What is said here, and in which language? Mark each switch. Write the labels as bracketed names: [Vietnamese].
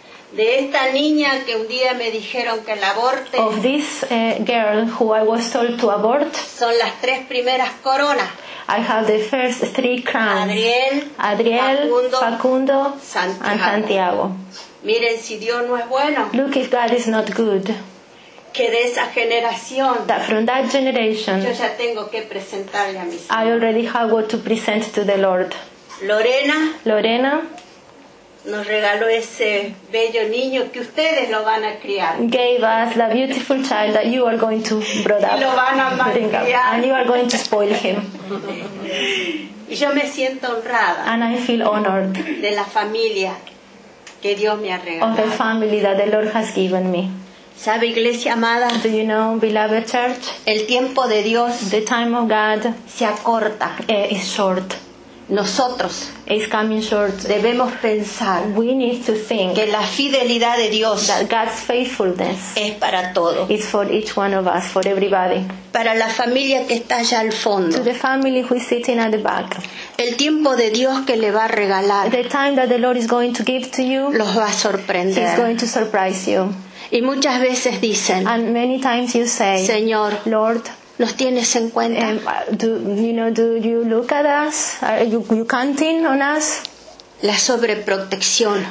[Spanish] De esta niña que un día me dijeron que la aborte. [English] Of this girl who I was told to abort. [Spanish] Son las tres primeras coronas. [English] I have the first three crowns. [Spanish] Adriel Facundo, Santiago. [English] And Santiago. [Spanish] Miren si Dios no es bueno. [English] Look if God is not good. [Spanish] Que de esa generación. [English] That from that generation. [Spanish] Yo ya tengo que presentarle a mi Señor. [English] I already have what to present to the Lord. [Spanish] Lorena. [English] Lorena. [Spanish] Nos regaló ese bello niño que ustedes lo van a criar. [English] Gave us the beautiful child that you are going to brought up. [Spanish] Y lo van a malcriar. [English] And you are going to spoil him. [Spanish] Y yo me siento honrada. [English] And I feel honored. [Spanish] De la familia que Dios me ha regalado. [English] Of the family that the Lord has given me. [Spanish] ¿Sabe, iglesia amada? [English] Do you know, beloved church? [Spanish] El tiempo de Dios. [English] The time of God. [Spanish] Se acorta. [English] Is short. [Spanish] Nosotros [English] is coming short. [Spanish] Debemos pensar. [English] We need to think [Spanish] que la fidelidad de Dios, [English] that God's faithfulness, [Spanish] es para todos. [English] It's for each one of us, for everybody. [Spanish] Para la familia que está allá al fondo. [English] To the family who is sitting at the back. [Spanish] El tiempo de Dios que le va a regalar. [English] The time that the Lord is going to give to you. [Spanish] Los va a sorprender. [English] He's going to surprise you. [Spanish] Y muchas veces dicen. [English] And many times you say, [Spanish] Señor, [English] Lord. [Spanish] ¿Nos tienes en cuenta? [English] Do you look at us? Are you counting on us? [Spanish] La sobreprotección.